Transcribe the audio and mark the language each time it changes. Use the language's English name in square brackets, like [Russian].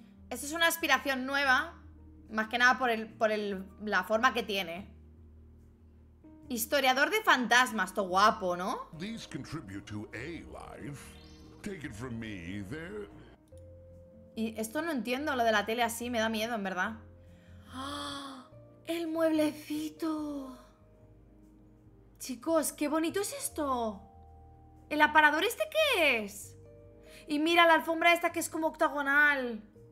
[Spanish] Esta es una aspiración nueva, más que nada por la forma que tiene. Historiador de fantasmas, todo guapo, ¿no? [English] These contribute to a life. Take it from me, they're... [Spanish] Y esto no entiendo, lo de la tele así, me da miedo, en verdad. ¡Oh! ¡El mueblecito! Chicos, ¡qué bonito es esto! ¿El aparador este qué es? Y mira la alfombra esta que es como octagonal.